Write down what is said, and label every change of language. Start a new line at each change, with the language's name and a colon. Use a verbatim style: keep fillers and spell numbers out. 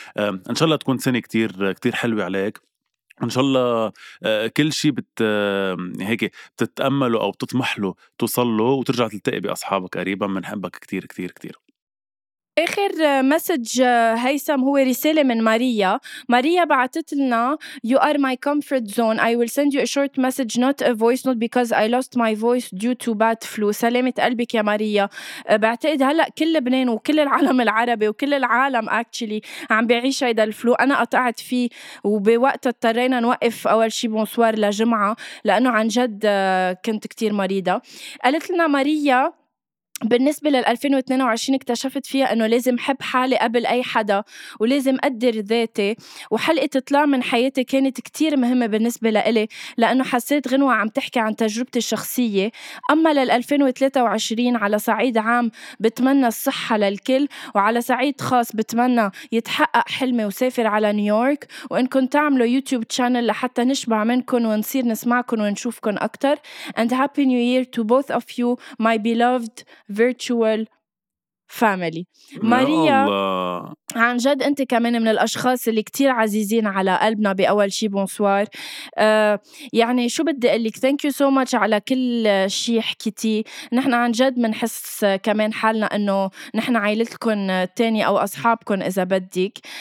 Arabic: إن شاء الله تكون سنة كتير كتير حلوة عليك، ان شاء الله كل شيء بت هيك بتتامله او بتطمحله توصله، وترجع تلتقي باصحابك قريبا. منحبك كتير كتير كتير. آخر مسج هيثم هو رسالة من ماريا. ماريا بعتت لنا
English: You are my comfort zone. I will send you a short message not a voice note because I lost my voice due to bad flu.
Arabic: سلامة قلبك يا ماريا. بعتقد هلأ كل لبنان وكل العالم العربي وكل العالم actually عم بيعيش هيدا الفلو. أنا قطعت فيه وبوقت اضطرينا نوقف أول شي بونسوار لجمعة لأنه عن جد كنت كتير مريضة. قالت لنا ماريا بالنسبة لل ألفين واثنين وعشرين اكتشفت فيها أنه لازم حب حالي قبل أي حدا، ولازم أقدر ذاتي. وحلقة اطلاع من حياتي كانت كتير مهمة بالنسبة لإلي، لأنه حسيت غنوة عم تحكي عن تجربتي الشخصية. أما لل ألفين وثلاثة وعشرين على صعيد عام بتمنى الصحة للكل، وعلى صعيد خاص بتمنى يتحقق حلمي وسافر على نيويورك، وإنكم تعملوا يوتيوب تشانل لحتى نشبع منكم ونصير نسمعكم ونشوفكم أكتر.
English: And happy new year to both of you, my beloved virtual family.
Arabic: ماريا الله. عن جد أنت كمان من الأشخاص اللي كتير عزيزين على قلبنا بأول شي بونسوار. آه يعني شو بدي أقولك،
English: thank you so much
Arabic: على كل شي حكيتي. نحن عن جد منحس كمان حالنا أنه نحن عائلتكن التانية أو أصحابكن إذا بدك.